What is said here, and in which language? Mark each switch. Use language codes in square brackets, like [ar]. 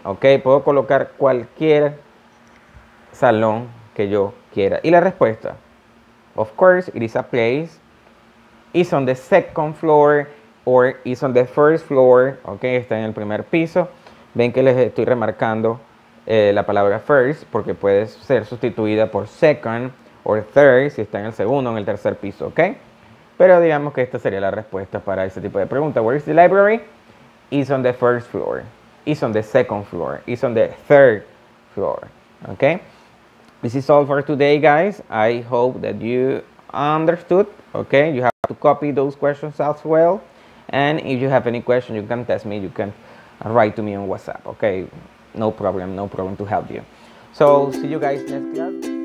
[es] Ok, puedo colocar cualquier salón que yo quiera. Y la respuesta, [en] of course, it is a place. It's on the second floor or it's on the first floor. [es] Ok, está en el primer piso. Ven que les estoy remarcando la palabra first porque puede ser sustituida por [en] second or third [es] si está en el segundo o en el tercer piso, ok. Pero digamos que esta sería la respuesta para ese tipo de pregunta. [en] Where is the library? Is on the first floor, is on the second floor, is on the third floor, okay? This is all for today, guys. I hope that you understood, okay? You have to copy those questions as well. And if you have any questions, you can text me, you can write to me on WhatsApp, okay? No problem to help you. So, see you guys next class.